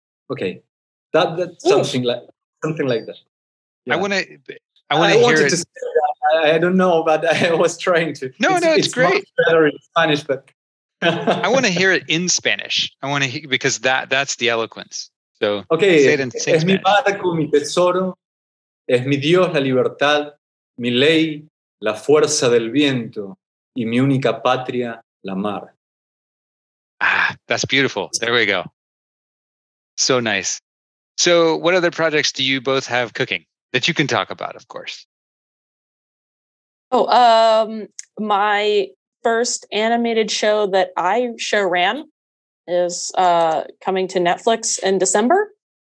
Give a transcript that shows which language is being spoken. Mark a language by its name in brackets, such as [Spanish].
[English] Okay, that's something like that. Yeah. I wanted to say that. I don't know, but I was trying to. It's great. It's much better in Spanish, but. I want to hear it in Spanish. I want to hear, because that's the eloquence. So okay. Say it in Spanish. [Spanish] Es mi barco, mi tesoro, es mi Dios la libertad, mi ley la fuerza del viento, y mi única patria la mar. [English] Ah, that's beautiful. There we go. So nice. So, what other projects do you both have cooking that you can talk about? Of course. Oh, my first animated show that I show ran is coming to Netflix in December.